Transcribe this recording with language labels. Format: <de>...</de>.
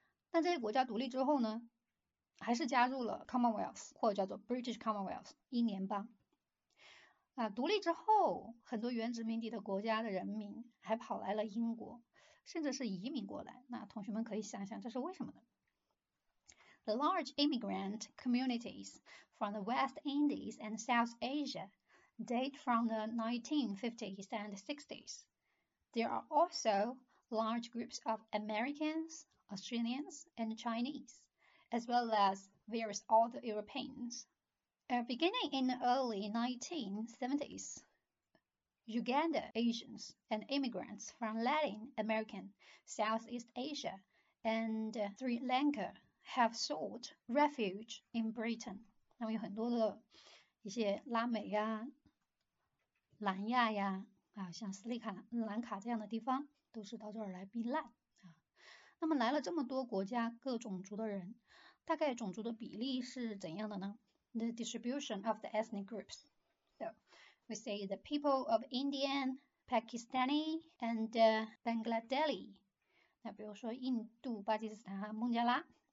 <zh>但这些国家独立之后呢，还是加入了 Commonwealth 或者叫做 British Commonwealth 英联邦。啊，独立之后，很多原殖民地的国家的人民还跑来了英国，甚至是移民过来。那同学们可以想想，这是为什么呢？</zh> <en>The large immigrant communities from the West Indies and South Asia date from the 1950s and 60s. There are also large groups of Americans, Australians, and Chinese, as well as various other Europeans. Beginning in the early 1970s, Uganda Asians and immigrants from Latin American, Southeast Asia, and Sri Lanka have sought refuge in Britain.</en> <zh>那么有很多的一些拉美呀、南亚呀、像斯里兰卡这样的地方，都是到这儿来避难啊。那么来了这么多国家各种族的人，大概种族的比例是怎样的呢？</zh> <en>The distribution of the ethnic groups. So, we say the people of Indian, Pakistani, and Bangladeshi.</en> <zh>那比如说印度、巴基斯坦、孟加拉。</zh>